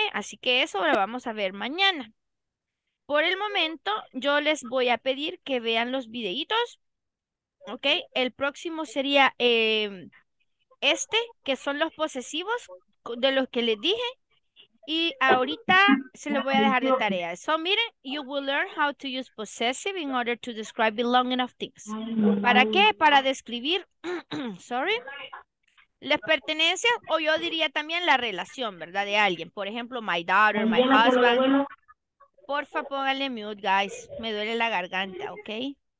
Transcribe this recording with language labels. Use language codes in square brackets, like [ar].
[es] Así que eso lo vamos a ver mañana. Por el momento, yo les voy a pedir que vean los videitos, ¿ok? El próximo sería este, que son los posesivos de los que les dije. Y ahorita se los voy a dejar de tarea. [en] So, [es] miren, [en] you will learn how to use possessive in order to describe belonging of things. [es] ¿Para qué? Para describir, sorry, las pertenencias, o yo diría también la relación, ¿verdad? De alguien. Por ejemplo, [en] my daughter, my husband. [es] Porfa, póngale mute, guys. Me duele la garganta, ¿ok?